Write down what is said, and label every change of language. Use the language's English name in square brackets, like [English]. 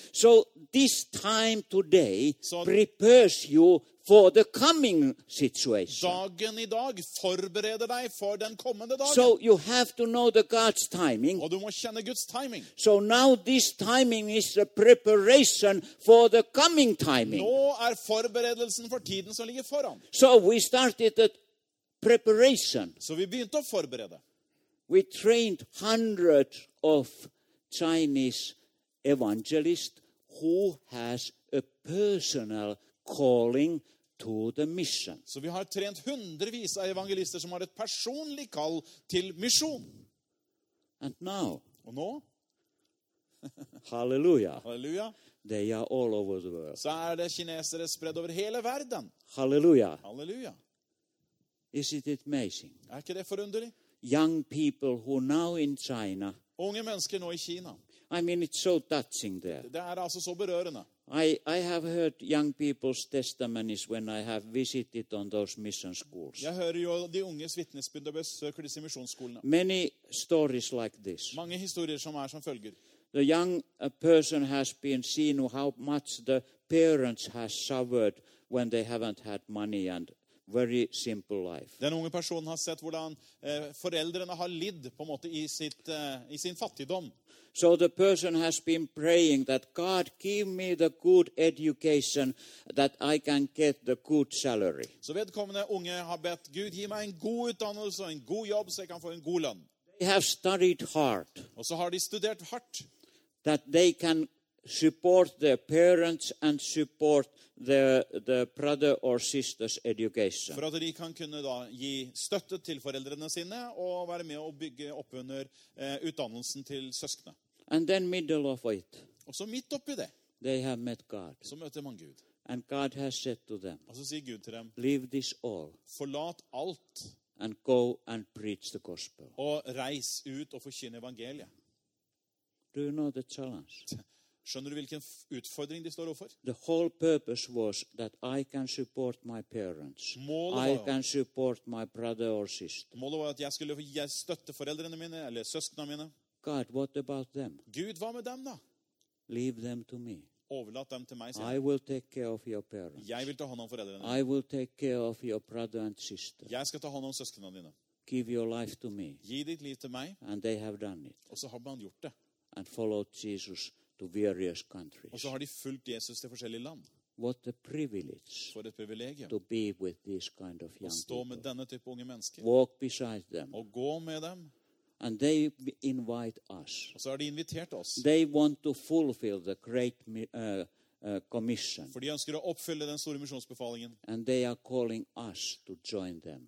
[English] So this time today prepares you for the coming situation. [Swedish] Dagen I dag förbereder dig för den kommande dagen. [English] So you have to know the God's timing. [Swedish] Och du måste känna Guds timing. [English] So now this timing is the preparation for the coming timing. [Swedish] Nu är förberedelsen för tiden som ligger föran. [English] So we started the preparation. [Swedish] Så vi började att förbereda. [English] We trained hundreds of Chinese evangelists who has a personal calling to the mission. [Swedish] Så vi har tränat hundrevis av evangelister som har ett personligt kall till mission. [English] And now. [Swedish] Och nu. [English] Halleluja. [Swedish] Halleluja. [English] They are all over the world. [Swedish] Så det kineser spridda över hela världen. [English] Halleluja. [Swedish] Halleluja. [English] Is it amazing? [Swedish] Är det förunderligt? [English] Young people who now in China. [Swedish] Unga människor nu I Kina. [English] I mean it's so touching there. [Swedish] Det alltså så berörande. [English] I have heard young people's testimonies when I have visited on those mission schools. [Swedish] Jag hör ju de ungas vittnesbörd besöker de missionsskolorna. [English] Many stories like this. [Swedish] Många historier som som följer. [English] The young person has been seen how much the parents has suffered when they haven't had money and very simple life. [Swedish] Den unga personen har sett hurdan föräldrarna har lidd på måte I sitt I sin fattigdom. [English] So the person has been praying that God give me the good education that I can get the good salary. [Norwegian] Så vedkommende unge har bedt Gud gi meg en god utdannelse og en god jobb så jeg kan få en god lønn. [English] They have studied hard. [Norwegian] Og så har de studert hardt. [English] That they can support their parents and support the brother or sister's education. [Norwegian] For at de kan kunne da gi støtte til foreldrene sine og være med å bygge opp under utdannelsen til søskene. [English] And then middle of it. [Norwegian] Og så midt oppi det. [English] They have met God. [Norwegian] Så møter man Gud. [English] And God has said to them. [Norwegian] Og så sier Gud til dem. [English] Leave this all. [Norwegian] Forlat alt. [English] And go and preach the gospel. [Norwegian] Og reis ut og forkynne evangeliet. [English] Do you know the challenge? [Norwegian] Skjønner du hvilken utfordring de står overfor? [English] The whole purpose was that I can support my parents. I can support my brother or sister. [Norwegian] Målet var at jeg skulle gi støtte foreldrene mine eller søsknene mine. [English] God, what about them? [Norwegian] Gud, hva med dem da? [English] Leave them to me. [Norwegian] Overlatt dem til meg, sier [English] han. I will take care of your parents. [Norwegian] Jeg vil ta hånd om foreldrene. [English] I will take care of your brother and sister. [Norwegian] Jeg skal ta hånd om søsknene dine. [English] Give your life to me. [Norwegian] Gi ditt liv til meg. [English] And they have done it. [Norwegian] Og så har man gjort det. [English] And followed Jesus to various countries. [Norwegian] Og så har de fulgt Jesus til forskjellige land. [English] What a privilege. [Norwegian] For et privilegium. [English] To be with this kind of young [Norwegian] people. Å stå med [English] people. [Norwegian] Denne type unge mennesker. [English] Walk beside them. [Norwegian] Og gå med dem. [English] And they invite us. [Norwegian] Og så har de invitert oss. [English] They want to fulfill the great commission. [Norwegian] For de ønsker å oppfylle den store misjonsbefalingen. [English] And they are calling us to join them.